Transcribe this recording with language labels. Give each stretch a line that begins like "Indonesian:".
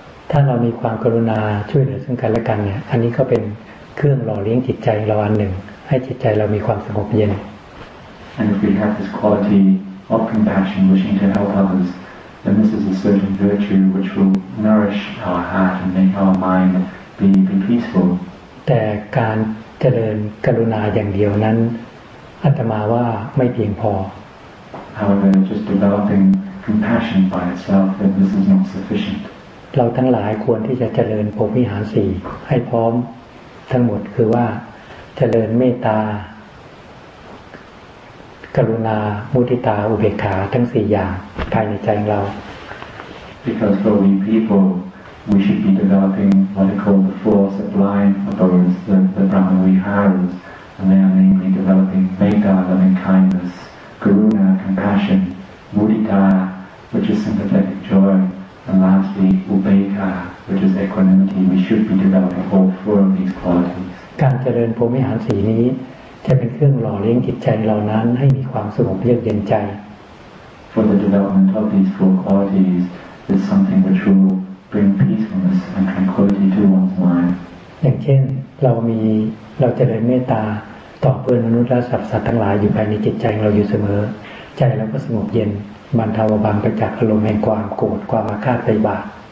Thai: ถ้าเรามีความกรุณาช่วยเหลือซึ่งกันและกันเนี่ยอันนี้ก็เป็นเครื่องหล่อเลี้ยงจิตใจเราอันหนึ่งให้จิตใจเรามีความสงบเย็น
English: And if we have this quality of compassion wishing to help others then this is a certain virtue which will nourish our heart and make our mind be peaceful
Thai: แต่การเจริญกรุณาอย่างเดียวนั้นอาตมาว่าไม่เพียงพอ
English: However, just developing compassion by itself, then this is not sufficient.
Thai: เราทั้งหลายควรที่จะเจริญโพธิหารสี่ให้พร้อมทั้งหมดคือว่าเจริญเมตตากรุณามุทิตาอุเบกขาทั้งสี่อย่างภายในใจของเรา
English: Because for we people, we should be developing what are called the four sublime abodes, the Brahma Viharas, and they are namely developing metta, loving kindness. Karuna, compassion, mudita, which is sympathetic joy, and lastly, upekkha, which is equanimity. We should be developing all four of these qualities.
Thai: การเจริญโพธิหารสีนี้จะเป็นเครื่องหล่อเลี้ยงจิตใจเรานั้นให้มีความสงบเยือกเย็นใจ
English: For the development of these four qualities is something which will bring peacefulness and tranquility to one's mind.
Thai: อย่างเช่นเราเจริญเมตตาต่อเพื่อนมนุษย์และสรรพสัตว์ทั้งหลายอยู่ภายในจิตใจของเราอยู่เสมอใจเราก็สงบเย็นบรรเทาบางไปจากอารมณ์แห่งความโกรธความอาฆาตไปบาป